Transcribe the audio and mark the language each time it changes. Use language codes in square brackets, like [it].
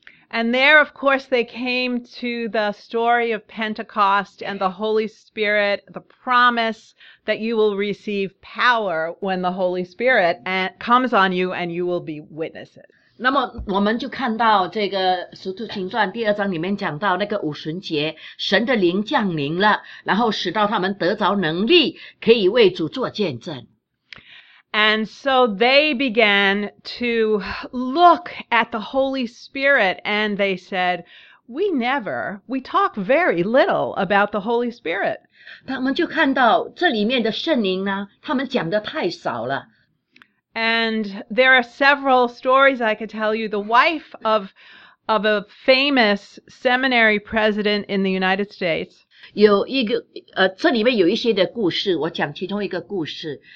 [en] And there, of course, they came to the story of Pentecost and the Holy Spirit, the promise that you will receive power when the Holy Spirit comes on you and you will be witnesses. [zh] 那么我们就看到这个《使徒行传》第二章里面讲到那个五旬节，神的灵降临了，然后使到他们得着能力，可以为主做见证。 [en] And so they began to look at the Holy Spirit and they said, we talk very little about the Holy Spirit. [zh] 他们就看到这里面的圣灵呢，他们讲的太少了。 [en] And there are several stories I could tell you. The wife of a famous seminary president in the United States. [zh] 有一个这里面有一些的故事，我讲其中一个故事。